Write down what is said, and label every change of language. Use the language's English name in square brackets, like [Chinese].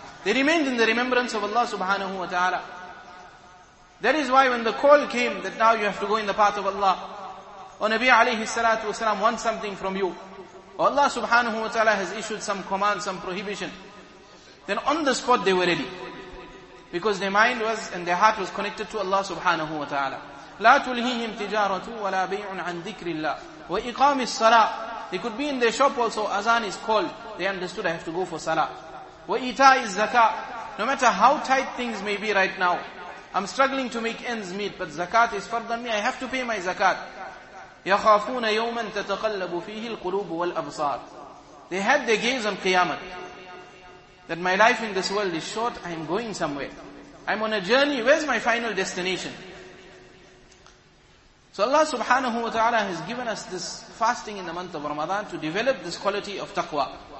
[English] They remained in the remembrance of Allah subhanahu wa ta'ala. That is why when the call came that now you have to go in the path of Allah, or Nabi alayhi salatu wasalam wants something from you, or Allah subhanahu wa ta'ala has issued some command, some prohibition, then on the spot they were ready. Because their mind was and their heart was connected to Allah subhanahu wa ta'ala. [Arabic] لا تلهيهم تجارته ولا بيع عن ذكر الله وإقام الصلاة. [English] They could be in their shop also, azan is called, they understood I have to go for salah. [Arabic] وإيتاء الزكاة. [English] No matter how tight things may be right now, I'm struggling to make ends meet, but zakat is fard on me, I have to pay my zakat. [Arabic] يخافون يوما تتقلب فيه القلوب والأبصار. [English] They had their gaze on qiyamah. That my life in this world is short, I am going somewhere. I am on a journey, where's my final destination? So Allah subhanahu wa ta'ala has given us this fasting in the month of Ramadan to develop this quality of taqwa.